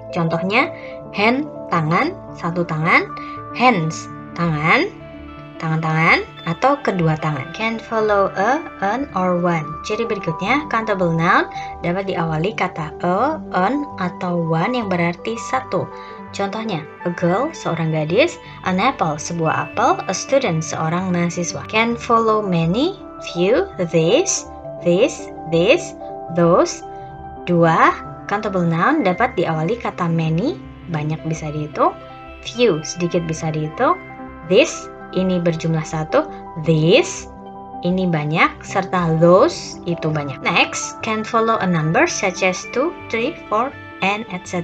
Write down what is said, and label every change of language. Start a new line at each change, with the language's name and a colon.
Indonesian: Contohnya, hand, tangan, satu tangan, hands, tangan, tangan-tangan, atau kedua tangan.
English: Can follow a, an, or one.
Indonesian: Ciri berikutnya, countable noun dapat diawali kata a, an, atau one yang berarti satu. Contohnya,
English: a girl,
Indonesian: seorang gadis,
English: an apple,
Indonesian: sebuah apel,
English: a student,
Indonesian: seorang mahasiswa.
English: Can follow many, few, this, this, this, those. 2.
Indonesian: Countable noun dapat diawali kata many, banyak bisa dihitung, few, sedikit bisa dihitung, this, ini berjumlah satu, this, ini banyak, serta those, itu banyak.
English: Next, can follow a number such as 2, 3, 4, and etc.